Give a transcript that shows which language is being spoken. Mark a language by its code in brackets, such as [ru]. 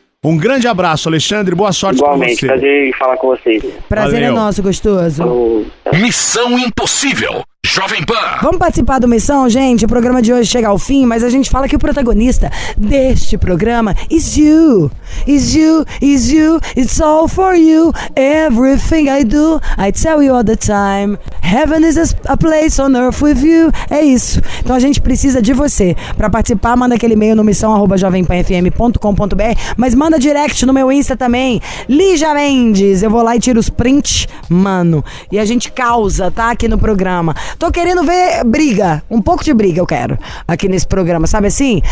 [pt] Um grande abraço, Alexandre, boa sorte. Igualmente, pra você. Prazer em falar com vocês. Prazer. Valeu. É nosso, gostoso. Missão Impossível, Jovem Pan. Vamos participar do Missão, gente? O programa de hoje chega ao fim, mas a gente fala que o protagonista deste programa [en] is you. Is you, is you, it's all for you. Everything I do, I tell you all the time. Heaven is a place on earth with you. [pt] É isso. Então a gente precisa de você. Pra participar, manda aquele e-mail no missão@jovempanfm.com.br. Mas manda direct no meu Insta também. Lígia Mendes. Eu vou lá e tiro os prints, mano. E a gente causa, tá? Aqui no programa. Tô querendo ver briga. Um pouco de briga eu quero aqui nesse programa, sabe assim?